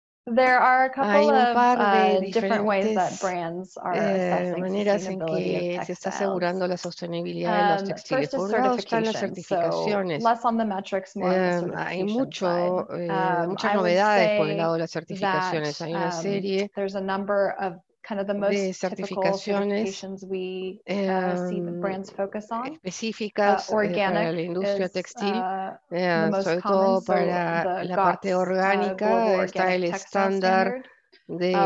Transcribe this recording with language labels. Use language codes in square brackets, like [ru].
[en] There are a couple of different ways that brands are assessing the sustainability of textiles. First is certification. So less on the metrics, more on the certification side. [es] Muchas novedades por el lado de las certificaciones. Hay una serie. [en] There's a number of kind of the most typical certifications we see the brands focus on. [es] Específicas para la industria textil, sobre todo para la parte orgánica, está el estándar de